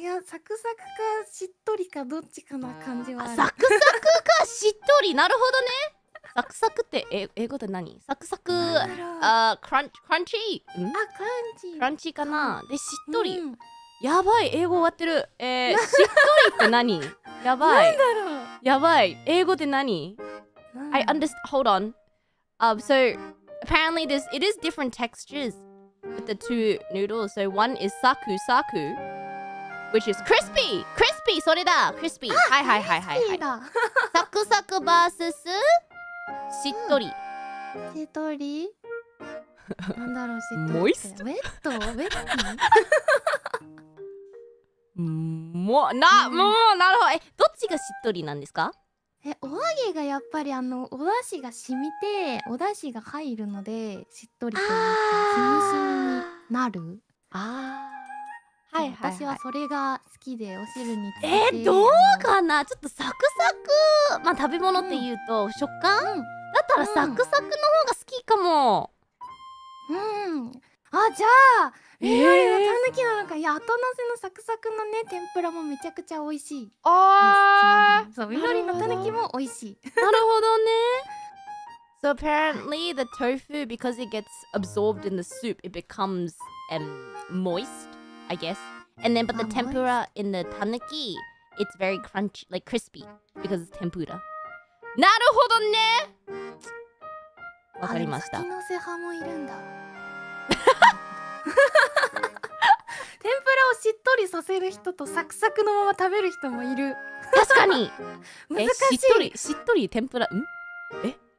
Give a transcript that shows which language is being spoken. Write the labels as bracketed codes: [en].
[ja] いや、サクサクかしっとりかどっちかな感じは。サクサクかしっとり。なるほどね。サクサクって英語で何？サクサク、クランチ、クランチかな。で、しっとり。やばい、英語終わってる。しっとりって何？やばい。なんだろう。やばい、英語で何？ [en] I understand. Hold on. Apparently this it is different textures with the two noodles. So one is saku saku. Which is crispy! Crispy! [ja] それだ! [en] Crispy! [ja] はいはいはいはいはい。サクサク vs. しっとり。しっとり?なんだろう?しっとり? [en] Moist? Wet? Wet? [ja] もう、なるほど! どっちがしっとりなんですか? お揚げがやっぱりお出汁が染みて、お出汁が入るので、しっとりと思って、しみしみに。なる。ああ。はいはいはい、私はそれが好きで、お汁に。どうかな、ちょっとサクサク、まあ食べ物っていうと、うん、食感、うん、だったらサクサクの方が好きかも。うん、あ、じゃあ、みどりのたぬきのなんか、いや、後乗せのサクサクのね、天ぷらもめちゃくちゃ美味しい。あー、そう、みどりのたぬきも美味しい。なるほどね。 [en] So apparently the tofu, because it gets absorbed in the soup, it becomes moist, I guess. And then, but the tempura in the tanuki, it's very crunchy, like crispy, because it's tempura. [ja] なるほどね。わかりました。あれ、月の瀬派もいるんだ。天ぷらをしっとりさせる人とサクサクのまま食べる人もいる。確かに。難しい。しっとり、しっとり天ぷら、ん？え？